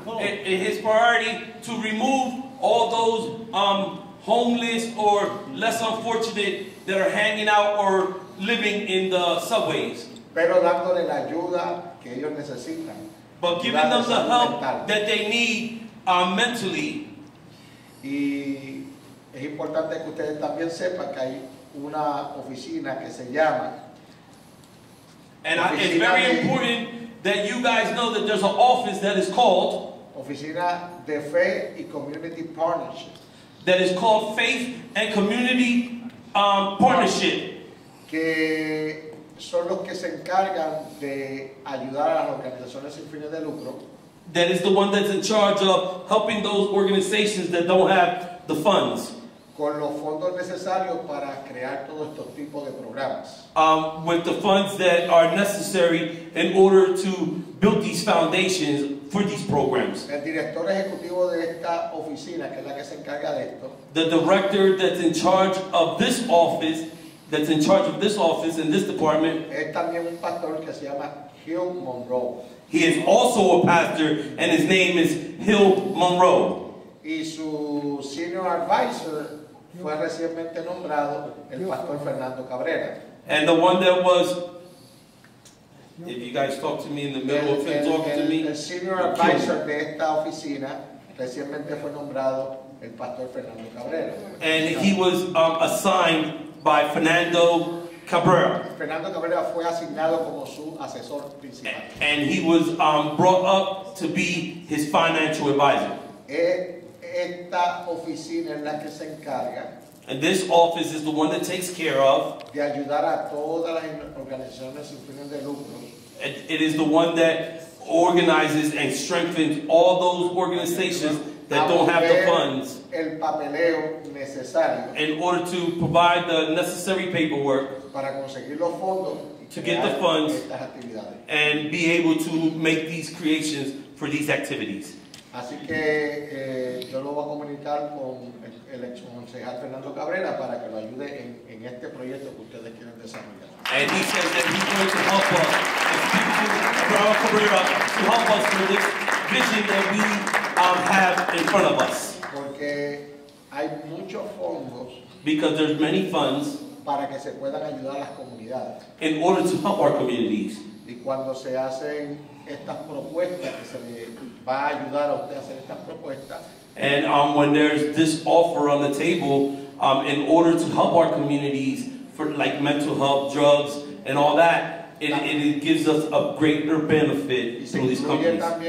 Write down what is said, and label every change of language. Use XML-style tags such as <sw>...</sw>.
<en>His priority to remove all those homeless or less unfortunate that are hanging out or living in the subways.</en> <es>Pero dándole la ayuda que ellos necesitan.</es> <en>But giving them the help that they need mentally.</en> <es>Y es importante que ustedes también sepan que hay una oficina que se llama.</es> <en>And it's very important that you guys know that there's an office that is called</en> <es>Oficina de Fe y Community Partnership.</es> <en>That is called Faith and Community Partnership.</en> <es>Que son los que se encargan de ayudar a las organizaciones sin fines de lucro.</es> <en>That is the one that's in charge of helping those organizations that don't have the funds.</en> <es>Con los fondos necesarios para crear todos estos tipos de programas.</es> <en>With the funds that are necessary in order to build these foundations for these programs.</en> <es>El director ejecutivo de esta oficina, que es la que se encarga de esto.</es> <en>The director that's in charge of this office, that's in charge of this office in this department.</en> <es>Es también un pastor que se llama Hill Monroe.</es> <en>He is also a pastor, and his name is Hill Monroe.</en> <es>Y su</es> <en>senior advisor</en> <es>fue recientemente nombrado el pastor Fernando Cabrera.</es> <en>And the one that was, if you guys talk to me in the middle of him talking to me.</en> <es>El</es> <en>senior advisor</en> <es>de esta oficina recientemente fue nombrado el pastor Fernando Cabrera.</es> <en>And he was assigned by Fernando Cabrera.</en> <es>Fernando Cabrera fue asignado como su asesor principal.</es> <en>And he was brought up to be his financial advisor.</en> <es>Esta oficina es la que se encarga.</es> <en>And this office is the one that takes care of.</en> <es>De ayudar a todas las organizaciones sin fines de lucro.</es> <en>It is the one that organizes and strengthens all those organizations that don't have the funds.</en> <es>El papeleo necesario.</es> <en>In order to provide the necessary paperwork.</en> <es>Para conseguir los fondos.</es> <en>To get the funds.</en> <es>Estas actividades.</es> <en>And be able to make these creations for these activities.</en> <es>Así que yo lo voy a comunicar con el ex concejal Fernando Cabrera para que lo ayude en este proyecto que ustedes quieren desarrollar.</es> <en>And he says that he's going to help us, Fernando Cabrera, to help us with this vision that we have in front of us.</en> <es>Porque hay muchos fondos.</es> <en>Because there's many funds.</en> <es>Para que se puedan ayudar a las comunidades.</es> <en>In order to help our communities.</en> <es>Y cuando se hacen estas propuestas, que se le va a ayudar a usted a hacer estas propuestas.</es> <en>And when there's this offer on the table, in order to help our communities, for like mental health, drugs, and all that, it gives us a greater benefit through these companies.</en>